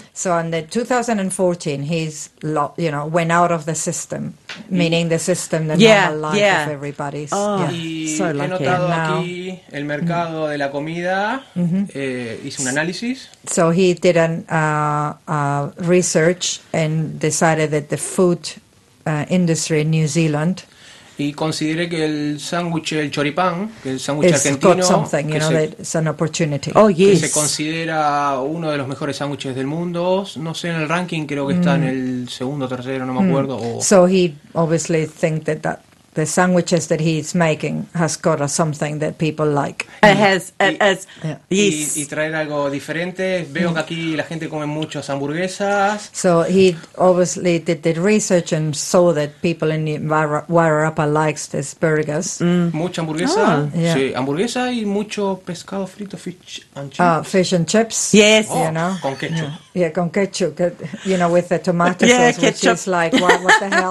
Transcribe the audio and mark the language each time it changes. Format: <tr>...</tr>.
<en>So in the 2014 he's went out of the system, meaning the system, the normal life of everybody. Oh, yeah.</en> <es>Y</es> <en>so lucky.</en> <es>He notado now, aquí el mercado de la comida. Mm-hmm. Hice un análisis.</es> <en>So he did research and decided that the food industry in New Zealand.</en> <es>Y consideré que el sándwich, el choripán, que el sándwich argentino,</es> <en>it's an opportunity. Oh, yes.</en> <es>Que se considera uno de los mejores sándwiches del mundo. No sé, en el ranking creo que está en el segundo, tercero, no me acuerdo.</es> <en>So he obviously think that the sandwiches that he's making has got something that people like.</en> <es>Y traer algo diferente. Veo que aquí la gente come muchas hamburguesas.</es> <en>So he obviously did the research and saw that people in Wairarapa likes these burgers.</en> <es>Mucha hamburguesa. Sí, hamburguesa y mucho pescado frito,</es> <en>fish and chips. Fish and chips. Yes. You know.</en> <es>Con ketchup. Con ketchup.</es> <en>You know, with the tomato sauce, ketchup. Which is like, what the hell?</en>